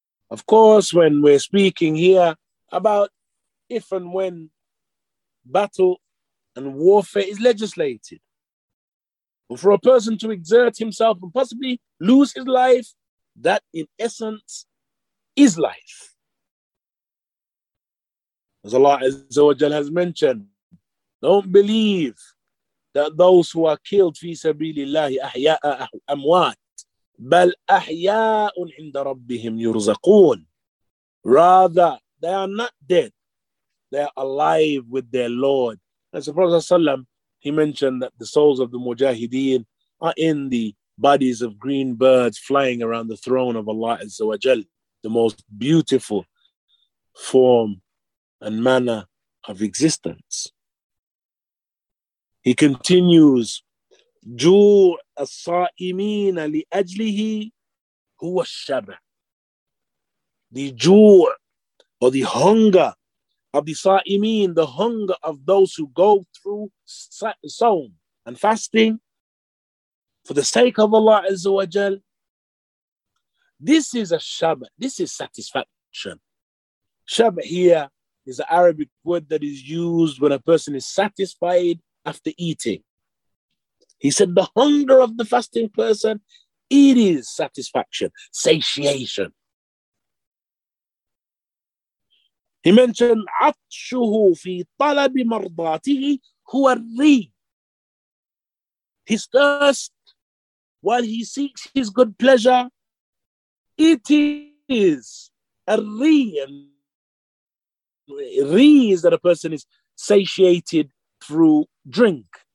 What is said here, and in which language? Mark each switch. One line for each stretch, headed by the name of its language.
English: Of course, when we're speaking here about if and when battle and warfare is legislated, but for a person to exert himself and possibly lose his life, that in essence is life. As Allah Azza wa Jal has mentioned, Don't believe that those who are killed
Arabic: في سبيل الله أحياء أموات بل أحياء عند ربهم يرزقون.
English: Rather, they are not dead. They are alive with their Lord. As the Prophet ﷺ, he mentioned that the souls of the Mujahideen are in the bodies of green birds flying around the throne of Allah Azza wa Jal, the most beautiful form and manner of existence. He continues,
Arabic: جُوعَ الصَّائِمِينَ لِأَجْلِهِ هُوَ الشَّبْعُ.
English: The jū' or the hunger of the sa'imeen, the hunger of those who go through sawm and fasting for the sake of Allah Azza wa Jal, this is a shab, this is satisfaction. Shab here is an Arabic word that is used when a person is satisfied after eating. He said the hunger of the fasting person, it is satisfaction, satiation. He mentioned
Arabic: عَطْشُهُ فِي طَلَبِ مَرْضَاتِهِ هُوَ الرِّيْهِ.
English: His thirst, while he seeks his good pleasure, it is a الرِّيْه is that a person is satiated through drink.